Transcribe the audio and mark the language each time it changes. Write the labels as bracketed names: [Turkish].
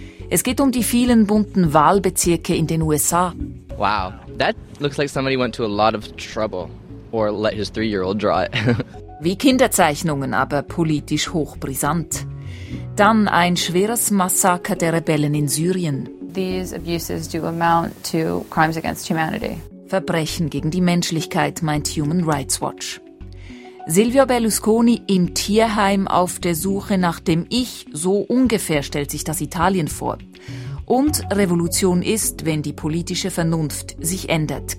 [German] Es geht um die vielen bunten Wahlbezirke in den USA. [English] Wow, that looks like somebody went to a lot of trouble or let his 3-year-old draw it. [German] Wie Kinderzeichnungen, aber politisch hochbrisant. Dann ein schweres Massaker der Rebellen in Syrien. [English] These abuses do amount to crimes against humanity. [German] Verbrechen gegen die Menschlichkeit, meint Human Rights Watch. Silvio Berlusconi im Tierheim auf der Suche nach dem Ich, so ungefähr stellt sich das Italien vor. Und Revolution ist, wenn die politische Vernunft sich ändert.